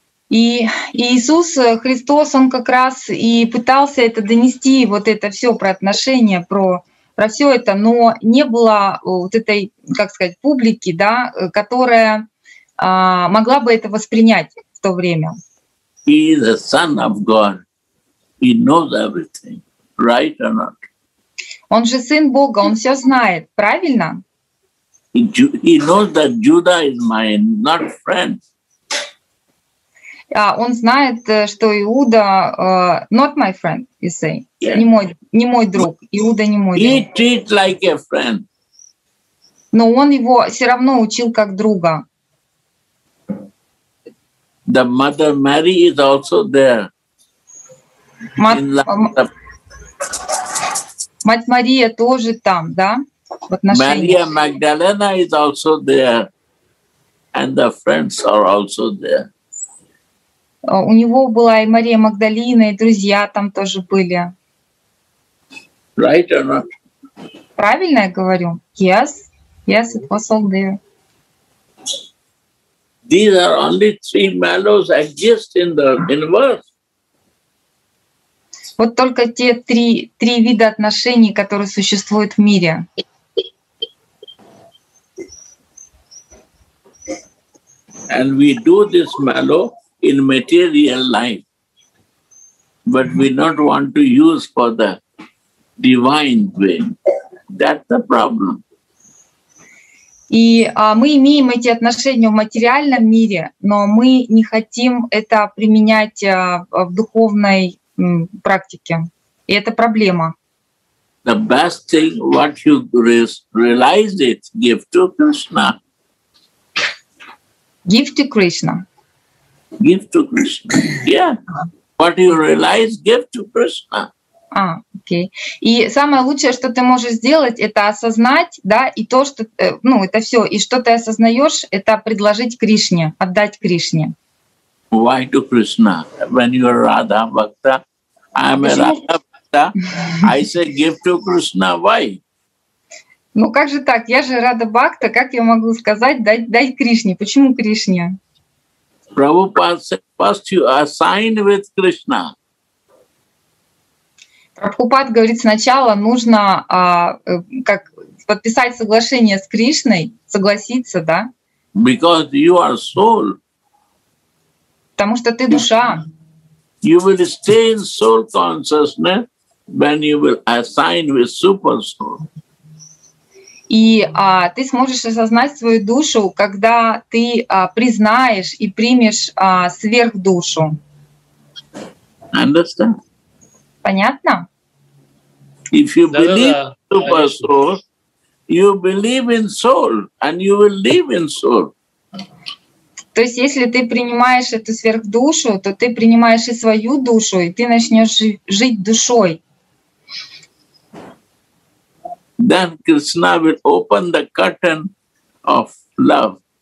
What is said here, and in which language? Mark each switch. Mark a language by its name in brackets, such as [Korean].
[Russian] И Иисус Христос, он как раз и пытался это донести, вот это все про отношения, про все это, но не было вот этой, как сказать, публики, да, которая могла бы это воспринять в то время. [English] He is the Son of God. He knows everything, right or not? [Russian] Он же Сын Бога, он все знает, правильно? [English] He knows that Judah is mine, not friend. [Russian] Он знает, что Иуда [English] not my friend, you say. Yeah. [Russian] Не мой друг. Иуда не мой [English] He [Russian] друг. [English] He treat like a friend. [Russian] Но он его все равно учил как друга. [English] The mother Mary is also there. [Russian] Мать Мария тоже там, да? В отношениях. [English] Мария Магдалена is also there. And the friends are also there. [Russian] У него была и Мария Магдалина, и друзья там тоже были. [English] Right or not? [Russian] Правильно я говорю? [English] Yes. Yes, it was all there. These are only three mellows exist in the universe. [Russian] Вот только те три вида отношений, которые существуют в мире. [English] And we do this mellow in material life, but we not want to use for the divine way. That's the problem. [Russian] И мы имеем эти отношения в материальном мире, но мы не хотим это применять в духовной практике. И это проблема. [English] The best thing, what you realize it, give to Krishna. Give to Krishna. Give to Krishna. Yeah. What you realize, give to Krishna. [Russian] Окей. И самое лучшее, что ты можешь сделать, это осознать, да, и то, что, ну, это все, и что ты осознаешь, это предложить Кришне, отдать Кришне. [English] Why to Krishna? When you are Radha Bhakta, I am a Radha Bhakta. I say give to Krishna. Why? [Russian] Ну как же так? Я же Радха Бхакта. Как я могу сказать, дай Кришне? Почему Кришне? [English] Prabhupada said, first you assign with Krishna. [Russian] Prabhupada говорит, сначала нужно как подписать соглашение с Кришной, согласиться, да? [English] Because you are soul. [Russian] Потому что ты душа. [English] You will stay in soul consciousness when you will assign with super soul. [Russian] И ты сможешь осознать свою душу, когда ты признаешь и примешь сверхдушу. [English] Understand? [Russian] Понятно? [English] If you believe in super soul, you believe in soul, and you will live in soul. [Russian] То есть, если ты принимаешь эту сверхдушу, то ты принимаешь и свою душу, и ты начнешь жить душой. [English] then Krishna will open the curtain of love.